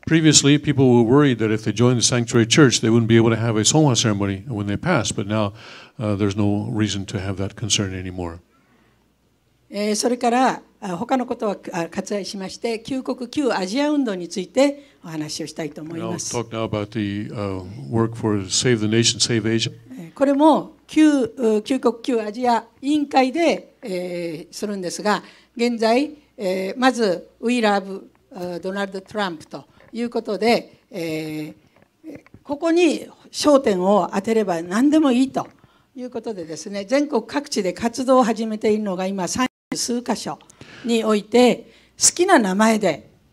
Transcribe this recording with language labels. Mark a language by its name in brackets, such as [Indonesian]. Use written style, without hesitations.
[English] Previously, people were worried that if they joined the sanctuary church, they wouldn't be able to have a songha ceremony when they passed. But now, there's no reason to have that concern anymore. [Japanese] それから他のことは割愛しまして、旧国旧アジア運動についてお話をしたいと思います。 [English] I'll talk now about the work for Save the Nation, Save Asia. [Japanese] これも旧国旧アジア委員会でするんですが、現在、まず [English] We love Donald Trump [Japanese] ということで、ここに焦点を当てれば何でもいいということでですね、全国各地で活動を始めているのが今三十数箇所において好きな名前で、